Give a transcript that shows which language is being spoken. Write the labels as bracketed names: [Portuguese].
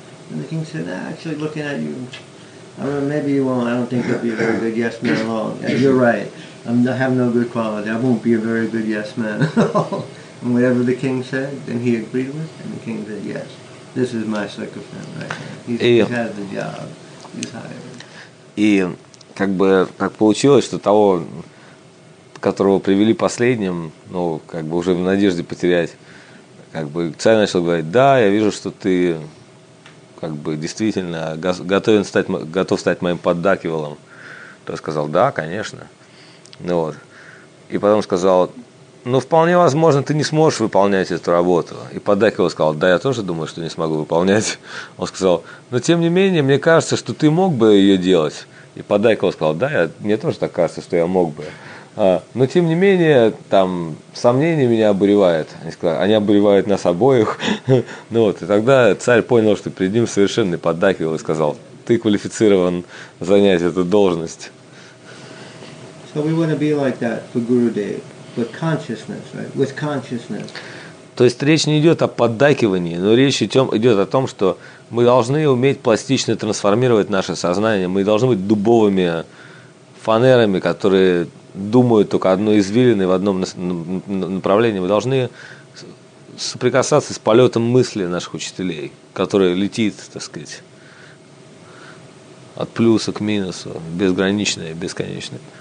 [English] And the king said, actually looking at you, I don't know, maybe you won't, I don't think you'll be a very good yes man at all. Yeah, you're right, I have no good quality, I won't be a very good yes man. And whatever the king said, then he agreed with, and the king said, yes, this is my sycophant right now. He has the job, he's hired. [Russian] And как бы так получилось, что того, которого привели последним, ну, как бы уже в надежде потерять, как бы царь начал говорить, да, я вижу, что ты как бы действительно готов стать моим поддакивалом. То я сказал, да, конечно. Ну, вот. И потом сказал, ну, вполне возможно, ты не сможешь выполнять эту работу. И поддакивал сказал, да, я тоже думаю, что не смогу выполнять. Он сказал, но тем не менее, мне кажется, что ты мог бы ее делать. И поддакивал сказал, да, мне тоже так кажется, что я мог бы. Но тем не менее, там сомнения меня обуревают. Они обуревают нас обоих. Ну вот, и тогда царь понял, что перед ним совершенно поддакивал и сказал, ты квалифицирован занять эту должность. [English] So we want to be like that for Gurudev, with consciousness, right? With consciousness. [Russian] То есть речь не идет о поддакивании, но речь идет о том, что мы должны уметь пластично трансформировать наше сознание. Мы должны быть дубовыми фанерами, которые думают только одно извилины в одном направлении. Мы должны соприкасаться с полетом мысли наших учителей, который летит, так сказать, от плюса к минусу, безграничное, бесконечное.